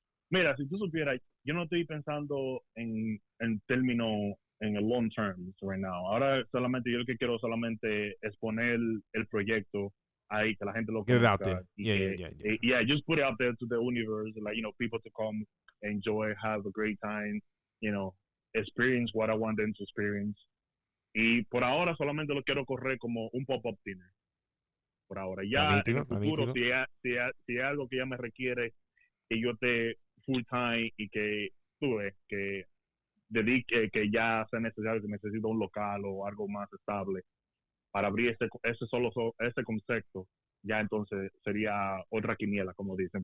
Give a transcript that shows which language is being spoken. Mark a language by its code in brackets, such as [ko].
[es] Mira, si tú supieras, yo no estoy pensando en términos en el [en] long term right now. [es] Ahora solamente yo lo que quiero solamente es poner el proyecto ahí, que la gente lo conozca. [en] Get it out there. Yeah, just put it out there to the universe, like, you know, people to come, enjoy, have a great time, you know, experience what I want them to experience. [es] Y por ahora solamente lo quiero correr como un pop-up dinner. Por ahora. Ya en el futuro, si hay algo que ya me requiere que yo esté full time y que tú ves que dedique, que ya sea necesario, que necesito un local o algo más estable para abrir ese concepto, ya entonces sería otra quiniela, como dicen.